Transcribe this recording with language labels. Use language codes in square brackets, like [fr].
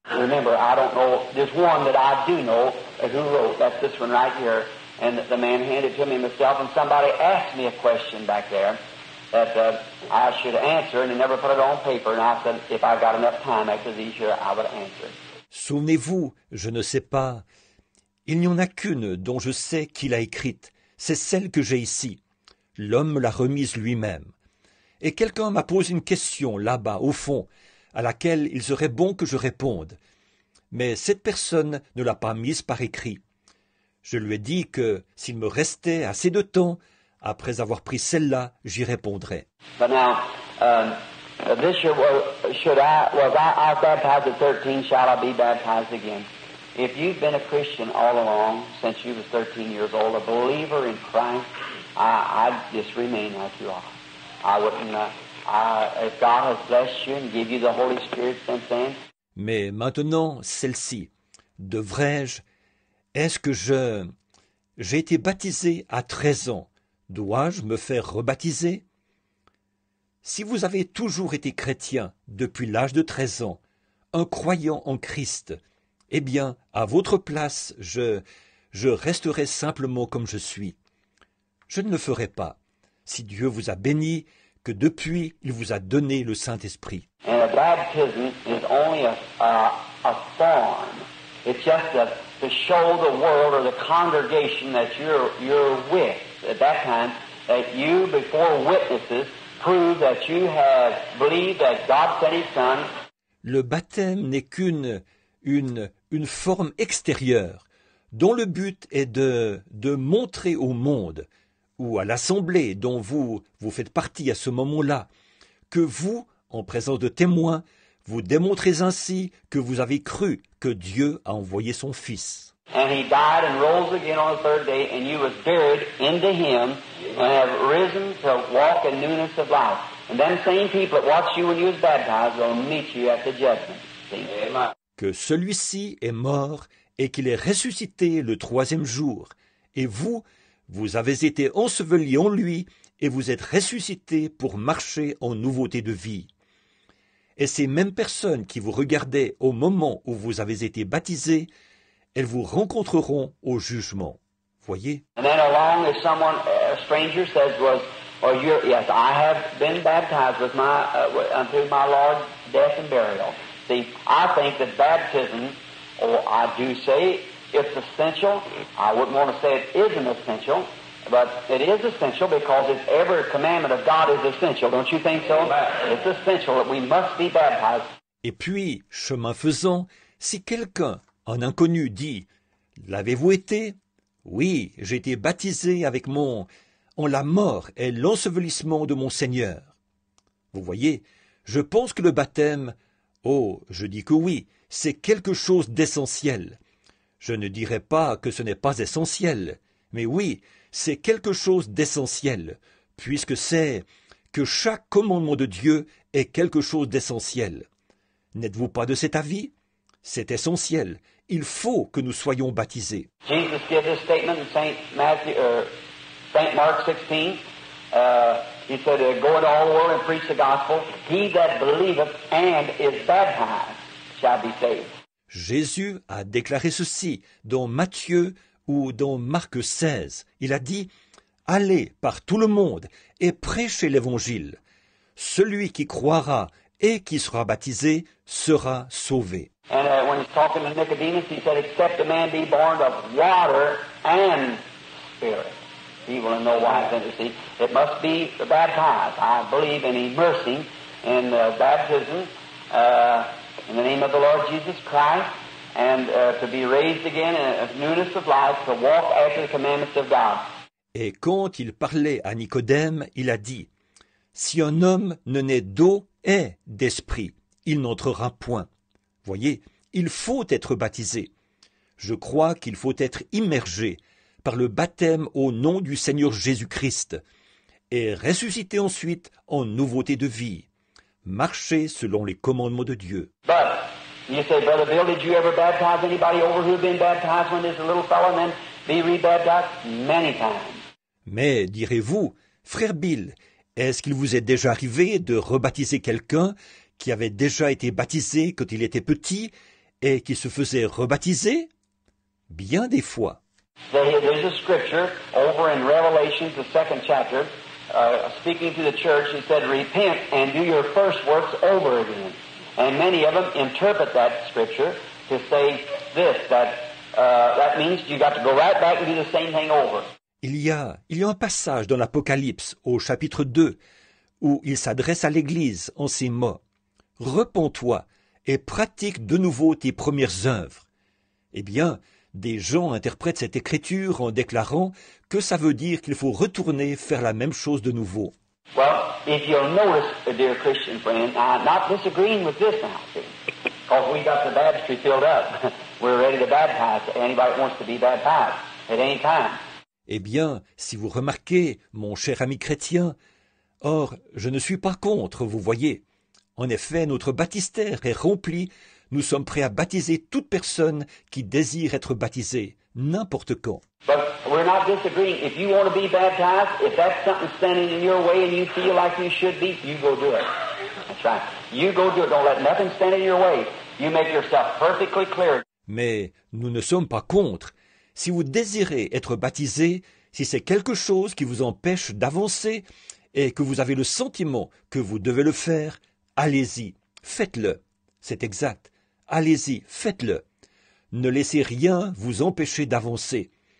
[en] Remember, I don't know. There's one that I do know who wrote. That's this one right here. And the man handed to me himself. And somebody asked me a question back there that I should answer. And he never put it on paper. And I said, if I got enough time after these years, I would answer. [fr] Souvenez-vous, je ne sais pas. Il n'y en a qu'une dont je sais qui l'a écrite. C'est celle que j'ai ici. L'homme l'a remise lui-même. Et quelqu'un m'a posé une question là-bas, au fond, à laquelle il serait bon que je réponde. Mais cette personne ne l'a pas mise par écrit. Je lui ai dit que s'il me restait assez de temps, après avoir pris celle-là, j'y répondrais. [en] But now, this year, was I baptized at 13, shall I be baptized again? If you've been a Christian all along, since you were 13 years old, a believer in Christ, I'd just remain like you are. I wouldn't, if God has blessed you and give you the Holy Spirit since then. [fr] Mais maintenant, celle-ci, devrais-je, est-ce que j'ai été baptisé à 13 ans, dois-je me faire rebaptiser? Si vous avez toujours été chrétien depuis l'âge de 13 ans, un croyant en Christ, eh bien, à votre place, je resterai simplement comme je suis. Je ne le ferai pas. Si Dieu vous a béni, que depuis, il vous a donné le Saint-Esprit. [en] And a baptism is only a form. It's just to show the world or the congregation that you're with at that time, that you, before witnesses, prove that you have believed that God sent His Son. [fr] Le baptême n'est qu'une une forme extérieure dont le but est de montrer au monde ou à l'assemblée dont vous faites partie à ce moment-là que vous, en présence de témoins, vous démontrez ainsi que vous avez cru que Dieu a envoyé son Fils. [en] And he died and rose again on the third day, and you was buried into him and have risen to walk in newness of life. And them same people that watched you when you was baptized will meet you at the judgment. Amen. [fr] Que celui-ci est mort et qu'il est ressuscité le troisième jour. Et vous, vous avez été ensevelis en lui et vous êtes ressuscité pour marcher en nouveauté de vie. Et ces mêmes personnes qui vous regardaient au moment où vous avez été baptisés, elles vous rencontreront au jugement. Voyez. [en] And then along, if someone, a stranger says, was, or you, yes, I have been baptized with my, unto my Lord's death and burial. See, I think that baptism, or I do say, it's essential. I wouldn't want to say it isn't essential, but it is essential because it's every commandment of God is essential. Don't you think so? Amen. It's essential that we must be baptized. [fr] Et puis, chemin faisant, si quelqu'un, un inconnu dit, l'avez-vous été? Oui, j'ai été baptisé avec mon... En la mort et l'ensevelissement de mon Seigneur. Vous voyez, je pense que le baptême, oh, je dis que oui, c'est quelque chose d'essentiel. Je ne dirais pas que ce n'est pas essentiel, mais oui, c'est quelque chose d'essentiel, puisque c'est que chaque commandement de Dieu est quelque chose d'essentiel. N'êtes-vous pas de cet avis? C'est essentiel. Il faut que nous soyons baptisés. [en] Jesus gave this statement in Saint Mark 16. He said, go into all the world and preach the gospel. He that believeth and is baptized shall be saved. [fr] Jésus a déclaré ceci dans Matthieu ou dans Marc 16. Il a dit, allez par tout le monde et prêchez l'évangile. Celui qui croira et qui sera baptisé sera sauvé. [en] And when he's talking to Nicodemus, he said, except a man be born of water and spirit, he will in no wise enter. See, it must be baptized. I believe in immersing in baptism in the name of the Lord Jesus Christ and to be raised again in a newness of life, to walk after the commandments of God. [fr] Et quand il parlait à Nicodème, il a dit, si un homme ne naît d'eau et d'esprit, il n'entrera point. Voyez, il faut être baptisé. Je crois qu'il faut être immergé par le baptême au nom du Seigneur Jésus-Christ et ressuscité ensuite en nouveauté de vie, marcher selon les commandements de Dieu. [en] But, you say, Brother Bill, did you ever baptize anybody over who had been baptized when there's a little fellow and then be re-baptized? Many times. [fr] Mais, direz-vous, Frère Bill, Est-ce qu'il vous est déjà arrivé de rebaptiser quelqu'un qui avait déjà été baptisé quand il était petit et qui se faisait rebaptiser? Bien des fois. [en] There's a scripture over in Revelation, the second chapter, speaking to the church, he said, repent and do your first works over again. And many of them interpret that scripture to say this, that that means you got to go right back and do the same thing over. [fr] Il y a un passage dans l'Apocalypse, au chapitre 2, où il s'adresse à l'Église en ces mots. « Repens-toi et pratique de nouveau tes premières œuvres. » Eh bien, des gens interprètent cette écriture en déclarant que ça veut dire qu'il faut retourner faire la même chose de nouveau. [en] Well, if you'll notice, dear Christian friend, I'm not disagreeing with this now, because we got the baptistry filled up. We're ready to baptize anybody that wants to be baptized at any time. [fr] Eh bien, si vous remarquez, mon cher ami chrétien, or, je ne suis pas contre, vous voyez. En effet, notre baptistère est rempli. Nous sommes prêts à baptiser toute personne qui désire être baptisée, n'importe quand. [en] But we're not disagreeing. If you want to be baptized, if that's something standing in your way and you feel like you should be, you go do it. That's right. You go do it. Don't let nothing stand in your way. You make yourself perfectly clear. [fr] Mais nous ne sommes pas contre. Si vous désirez être baptisé, si c'est quelque chose qui vous empêche d'avancer et que vous avez le sentiment que vous devez le faire, allez-y, faites-le. C'est exact. Allez-y, faites-le. Ne laissez rien vous empêcher d'avancer.